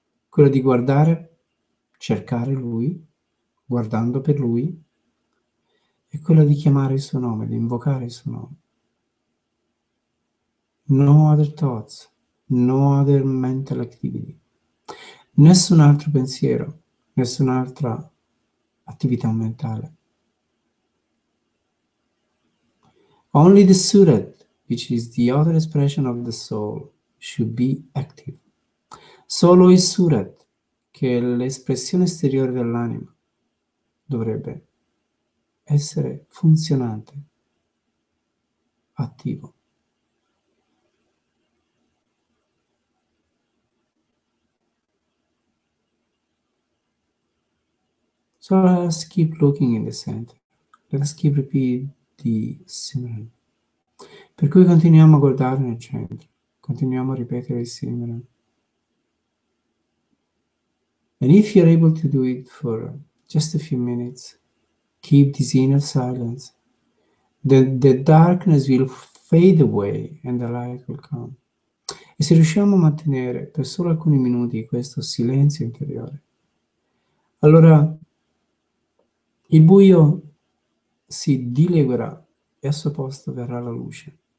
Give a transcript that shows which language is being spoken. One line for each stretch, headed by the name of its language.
Italian: Quella di guardare, cercare lui, guardando per lui, e quella di chiamare il suo nome, di invocare il suo nome.
English: No other thoughts, no other mental activity,
Italian: nessun altro pensiero, nessun'altra attività mentale.
English: Only the Surat, which is the other expression of the soul, should be active.
Italian: Solo il Surat, che l'espressione esteriore dell'anima dovrebbe essere funzionante, attivo.
English: So let's keep looking in the center. Let's keep repeating the Simran.
Italian: Per cui continuiamo a guardare nel centro. Continuiamo a ripetere il Simran.
English: And if you're able to do it for just a few minutes, keep this inner silence, then the darkness will fade away and the light will come.
Italian: E se riusciamo a mantenere per solo alcuni minuti questo silenzio interiore, allora il buio si dileguerà e al suo posto verrà la luce.